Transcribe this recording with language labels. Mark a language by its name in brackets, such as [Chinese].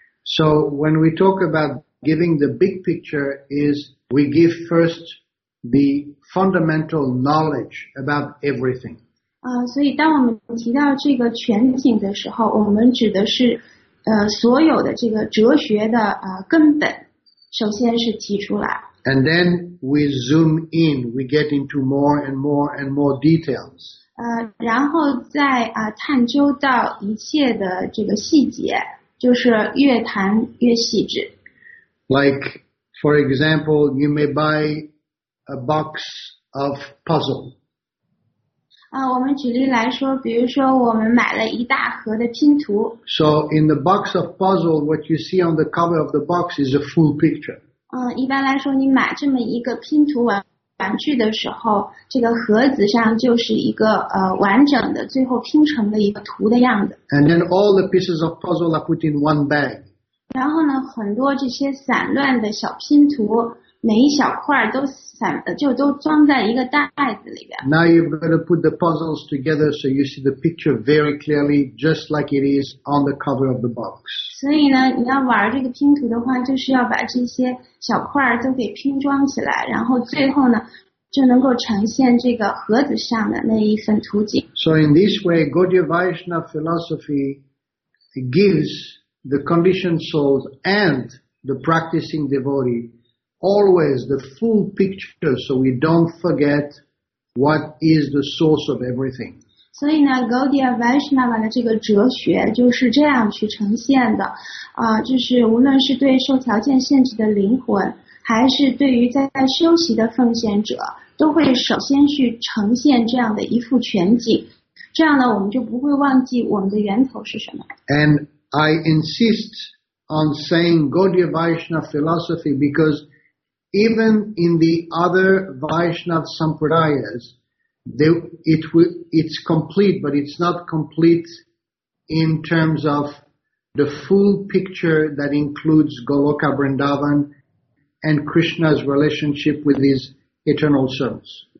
[English] So when we talk about giving the big picture, is we give first the fundamental knowledge about everything. [Chinese] 所以当我们提到这个全景的时候，我们指的是所有的这个哲学的根本，首先是提出来。 [English] And then we zoom in, we get into more and more and more details. [Chinese] 然后再探究到一切的这个细节，就是越谈越细致。 [English] Like, for example, you may buy a box of puzzle. [Chinese] 我们举例来说，比如说我们买了一大盒的拼图。 [English] So in the box of puzzle, what you see on the cover of the box is a full picture. [Chinese] 一般来说你买这么一个拼图玩具的时候，这个盒子上就是一个完整的最后拼成的一个图的样子。 [English] And then all the pieces of puzzle are put in one bag. [Chinese] 然后呢，很多这些散乱的小拼图，每一小块都散，就都装在一个袋子里边。 [English] Now you've got to put the puzzles together so you see the picture very clearly, just like it is on the cover of the box. [Chinese] 所以呢，你要玩这个拼图的话，就是要把这些小块都给拼装起来，然后最后呢，就能够呈现这个盒子上的那一份图景。 [English] So in this way, Gaudiya Vaishnava philosophy gives the conditioned souls and the practicing devotee. Always the full picture, so we don't forget what is the source of everything. [Chinese] 所以呢 ，Gaudiya Vaishnava 的这个哲学就是这样去呈现的，就是无论是对受条件限制的灵魂，还是对于在修习的奉献者，都会首先去呈现这样的一幅全景。这样呢，我们就不会忘记我们的源头是什么。 [English] And I insist on saying Gaudiya Vaishnava philosophy because. Even in the other Vaishnav Sampradayas, it's complete, but it's not complete in terms of the full picture that includes Goloka Vrindavan and Krishna's relationship with his eternal souls.